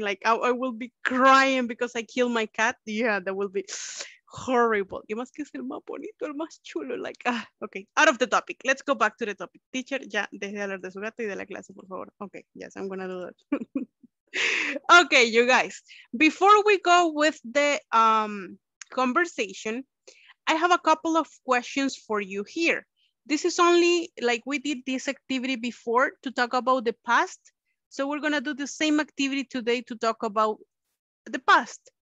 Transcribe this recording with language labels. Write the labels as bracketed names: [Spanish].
[English] Like, I will be crying because I killed my cat. Yeah, that will be horrible. [Spanish] Y más que es el más bonito, el más chulo. [English] Like, okay, out of the topic. Let's go back to the topic. [Spanish] Teacher, ya, deje de hablar de su gato y de la clase, por favor. [English] Okay, yes, I'm gonna do that. Okay, you guys, before we go with the conversation, I have a couple of questions for you here. This is only, like, we did this activity before to talk about the past. So we're gonna do the same activity today to talk about the past.